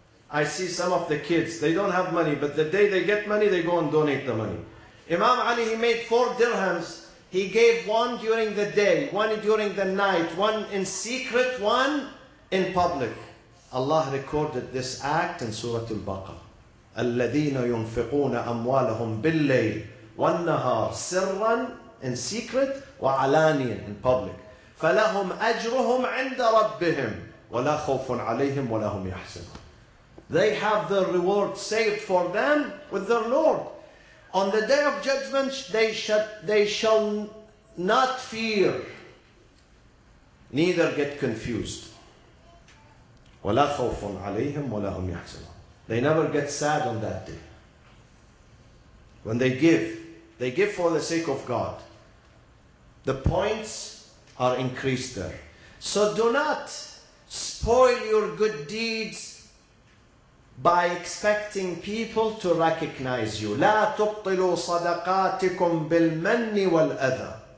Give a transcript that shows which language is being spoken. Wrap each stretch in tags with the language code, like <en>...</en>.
<en>I see some of the kids, they don't have money, but the day they get money, they go and donate the money. Imam Ali, he made 4 dirhams. He gave one during the day, one during the night, one in secret, one in public. Allah recorded this act in Surah Al-Baqarah.</en> <ar>الَّذِينَ يُنفِقُونَ أَمْوَالَهُمْ بِاللَّيْلِ وَالنَّهَارِ سِرًّا</ar> <en>in secret</en> <ar>وَعَلَانِيًا</ar> <en>in public.</en> <ar>فَلَهُمْ أَجْرُهُمْ عِنْدَ رَبِّهِمْ وَلَا خَوْفٌ عَلَيْهِمْ وَلَا هُمْ يَحْسَنُونَ.</ar> <en>They have their reward saved for them with their Lord. On the Day of Judgment, they shall not fear, neither get confused.</en> <ar>وَلَا خَوْفٌ عَلَيْهِمْ وَلَا هُمْ يَحْسَنُونَ.</ar> <en>They never get sad on that day. When they give for the sake of God. The points are increased there. So do not spoil your good deeds by expecting people to recognize you.</en> <ar>لا تبطلوا صدقاتكم بالمن والأذى.</ar>